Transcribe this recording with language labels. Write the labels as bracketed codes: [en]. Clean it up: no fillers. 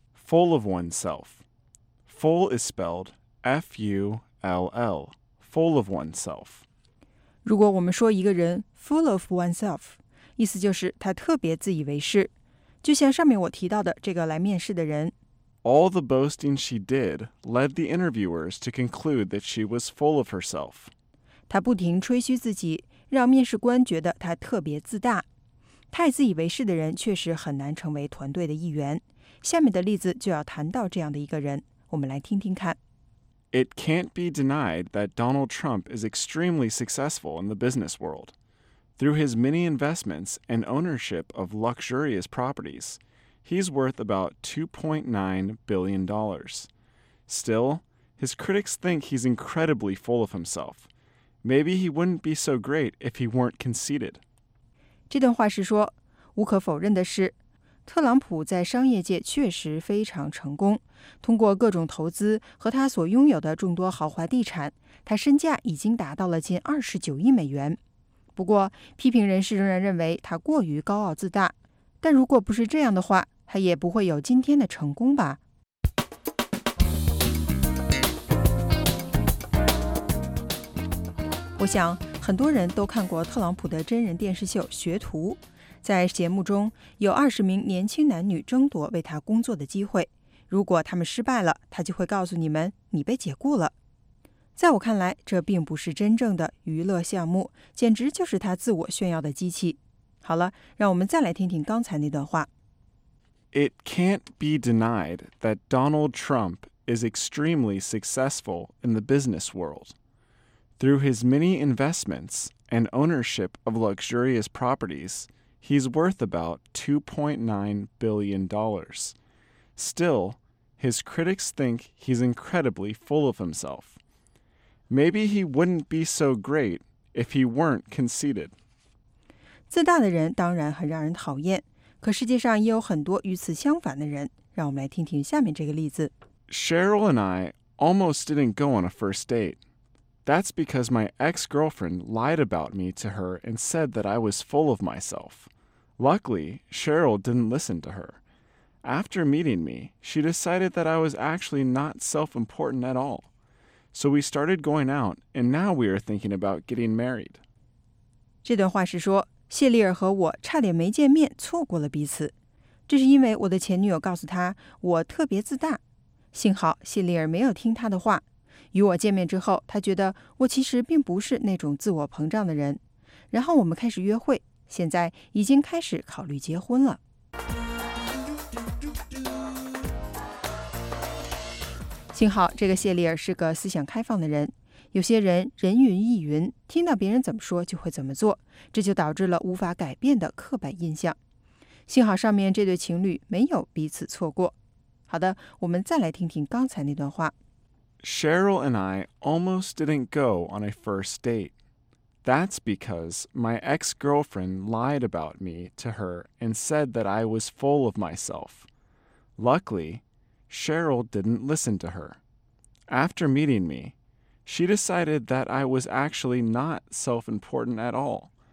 [en] Full of oneself. Full is spelled F-U-L-L. Full of oneself. [zh] 如果我们说一个人 [en] full of oneself, [zh] 意思就是他特别自以为是。就像上面我提到的这个来面试的人 [en] All the boasting she did led the interviewers to conclude that she was full of herself. [zh] 她不停吹嘘自己，让面试官觉得她特别自大。太自以为是的人确实很难成为团队的一员。下面的例子就要谈到这样的一个人，我们来听听看。 [en] It can't be denied that Donald Trump is extremely successful in the business world. Through his many investments and ownership of luxurious properties, he's worth about $2.9 billion. Still, his critics think he's incredibly full of himself. Maybe he wouldn't be so great if he weren't conceited. [zh] 这段话是说，无可否认的是，特朗普在商业界确实非常成功。通过各种投资和他所拥有的众多豪华地产，他身价已经达到了近29亿美元。不过，批评人士仍然认为他过于高傲自大。但如果不是这样的话，他也不会有今天的成功吧。我想，很多人都看过特朗普的真人电视秀《学徒》。在节目中，有20名年轻男女争夺为他工作的机会。如果他们失败了，他就会告诉你们：“你被解雇了。” 在我看来，这并不是真正的娱乐项目，简直就是他自我炫耀的机器。好了，让我们再来听听刚才那段话。 [en] It can't be denied that Donald Trump is extremely successful in the business world. Through his many investments and ownership of luxurious properties, he's worth about $2.9 billion. Still, his critics think he's incredibly full of himself. Maybe he wouldn't be so great if he weren't conceited. [zh] 自大的人当然很让人讨厌，可世界上也有很多与此相反的人。让我们来听听下面这个例子。 [en] Cheryl and I almost didn't go on a first date. That's because my ex-girlfriend lied about me to her and said that I was full of myself. Luckily, Cheryl didn't listen to her. After meeting me, she decided that I was actually not self-important at all. So we started going out, and now we are thinking about getting married. [zh] 这段话是说，谢丽尔和我差点没见面，错过了彼此。这是因为我的前女友告诉她我特别自大。幸好谢丽尔没有听她的话，与我见面之后，他觉得我其实并不是那种自我膨胀的人。然后我们开始约会，现在已经开始考虑结婚了。幸好这个谢丽尔是个思想开放的人，有些人人云亦云，听到别人怎么说就会怎么做，这就导致了无法改变的刻板印象。幸好上面这对情侣没有彼此错过。好的，我们再来听听刚才那段话。 [en] Cheryl and I almost didn't go on a first date. That's because my ex-girlfriend lied about me to her and said that I was full of myself. Luckily,Cheryl didn't listen to her. After meeting me, she decided that I was actually not self-important at all.